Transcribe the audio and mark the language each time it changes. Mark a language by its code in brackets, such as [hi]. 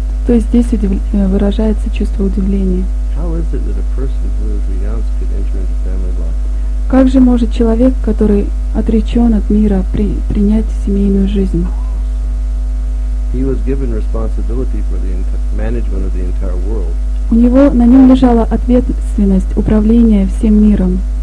[ru] То есть здесь выражается чувство удивления. [en] How is it that a person who is renounced could enter into family life? [ru] Как же может человек, который отречен от мира, принять семейную жизнь? [en] He was given responsibility for the management of the entire world. [ru] У него на нем лежала ответственность управления всем миром.